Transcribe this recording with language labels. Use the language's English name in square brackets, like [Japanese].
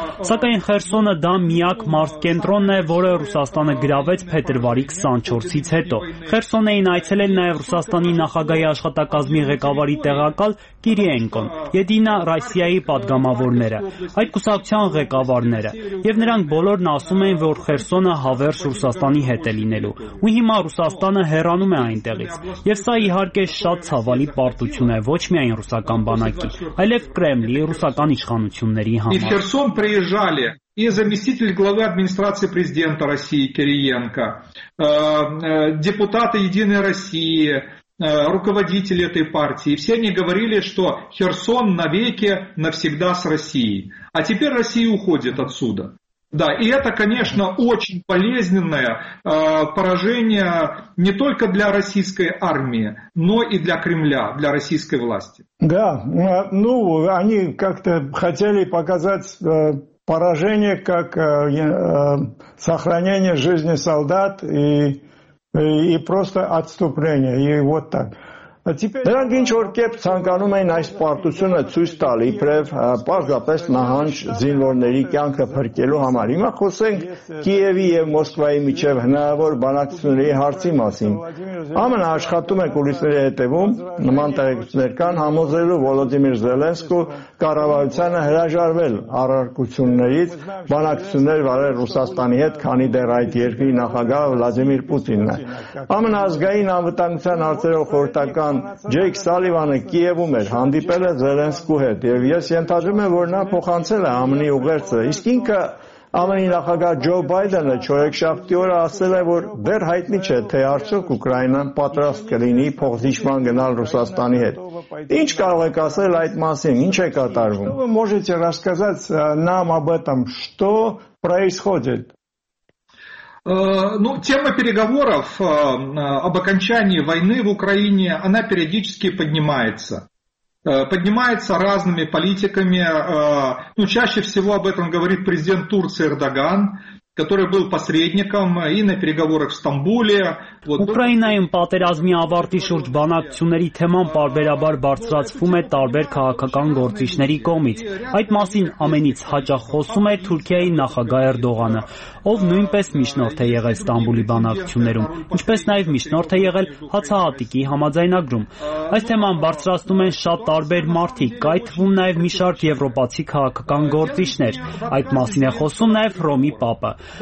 [Armenian] սակայն Խերսոնը դա միակ մարզկենտրոնն է, որը Ռուսաստանը գրավեց փետրվարի 24-ից հետո։ Խերսոն էին այցելել նաև Ռուսաստանի նախագահի աշխատակազմի ղեկավարի տեղակալ Կիրիենկոն, Եդինա Ռասիայի պատգամավորները, այդ կուսակցության ղեկավարները, և նրանք բոլորն ասում են, որ Խերսոնը հավերժ Ռուսաստանի հետ է լինելու, ու հիմա Ռուսաստանը հեռանում է այնտեղից, և սա իհարկե շատ ցավալի պարտություն է ոչ միայն ռուսական բանակի, այլև Կրեմլի ռուսական իշխանությունների համար։ [Russian] И заместитель главы администрации президента России Кириенко, депутаты Единой России, руководители этой партии, все они говорили, что Херсон навеки, навсегда с Россией. А теперь Россия уходит отсюда. Да, и это, конечно, очень болезненное поражение не только для российской армии, но и для Кремля, для российской власти. Да, ну, они как-то хотели показать поражение как сохранение жизни солдат и просто отступление, и вот так. [Armenian] Նրանք ինչ որ կերպ ցանկանում էին այս պարտությունը ցույց տալ, իբրև պարզապես նահանջ զինվորների կյանքը փրկելու համար։ Հիմա խոսենք Կիևի և Մոսկվայի միջև հնարավոր բանակցությունների հարցի մասին։ ԱՄՆ աշխատում է կուլիսների հետևում, նման տեղեկություններ կան, համոզելու Վոլոդիմիր Զելենսկու կառավարությանը հրաժարվել առարկություններից բանակցություններ վարել Ռուսաստանի հետ, քանի դեռ այդ երկրի նախագահ Վլադիմիր Պուտինն է։ ԱՄՆ ազգային անվտանգության հարցերով խորհրդական Ջեյք Սալիվանը Կիևում էր, հանդիպել է Զելենսկու հետ, և ես ենթադրում եմ, որ նա փոխանցել է ԱՄՆ-ի ուղերձը, իսկ ինքը ԱՄՆ-ի նախագահ Ջո Բայդենը չորեքշաբթի օրը ասել է, որ դեռ հայտնի չէ, թե արդյոք Ուկրաինան պատրաստ կլինի փոխզիջման գնալ Ռուսաստանի հետ։ Ինչ կարող եք ասել այդ մասին, ինչ է կատարվում? [Russian] Вы можете рассказать нам об этом, что происходит? Ну, тема переговоров об окончании войны в Украине, она периодически поднимается. Поднимается разными политиками, ну, чаще всего об этом говорит президент Турции Эрдоган, который был посредником и на переговорах в Стамбуле. [Armenian] Ուկրաինայում պատերազմի ավարտի շուրջ բանակցությունների թեման պարբերաբար բարձրացվում է տարբեր քաղաքական գործիչների կողմից։ Այդ մասին ամենից հաճախ խոսում է Թուրքիայի նախագահ Էրդողանը, ով նույնպես միջնորդ է եղել Ստամբուլի բանակցություններում, ինչպես նաև միջնորդ է եղել Հացահատիկի համաձայնագրում։ Այս թեման բարձրացնում են շատ տարբեր մարդիկ, կայթվում նաև մի շարք եվրոպացի քաղաքական գործիչներ։ Այդ մասին է խոսում նաև Ռոմի Պապը։